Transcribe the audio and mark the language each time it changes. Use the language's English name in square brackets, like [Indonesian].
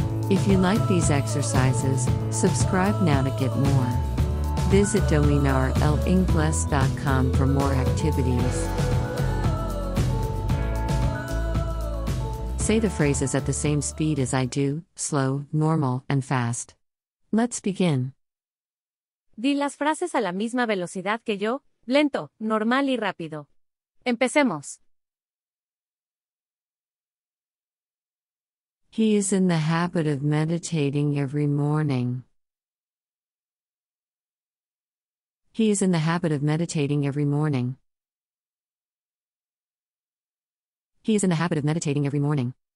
[English] If you like these exercises, subscribe now to get more. Visit dominarelingles.com for more activities. Say the phrases at the same speed as I do, slow, normal, and fast. Let's begin. [Spanish] Di las frases a la misma velocidad que yo, lento, normal y rápido. Empecemos. [English] He is in the habit of meditating every morning. He is in the habit of meditating every morning. He is in the habit of meditating every morning.